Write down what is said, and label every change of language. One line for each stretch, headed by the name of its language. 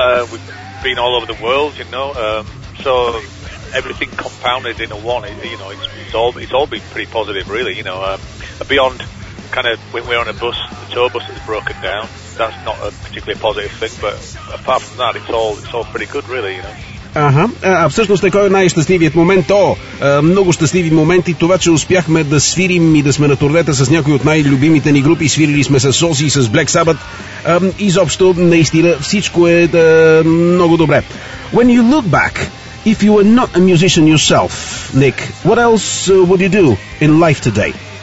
English: We've been all over the world. You know, so everything compounded in a one. It's all been pretty positive, really. You know, beyond kind of when we're on a bus, the tour bus is broken down. That's not a particularly positive thing, but apart from that, it's all pretty good, really. You know.
Bulgarian: Ага, всъщност е кой е най-щастливият момент? Много щастливи моменти. Това, че успяхме да свирим и да сме на турнета с някои от най-любимите ни групи. Свирили сме с Ози, с Black Sabbath. Изобщо, наистина, всичко е много добре.
English: When you look back, if you were not a musician yourself, Nick, what else would you do in life today?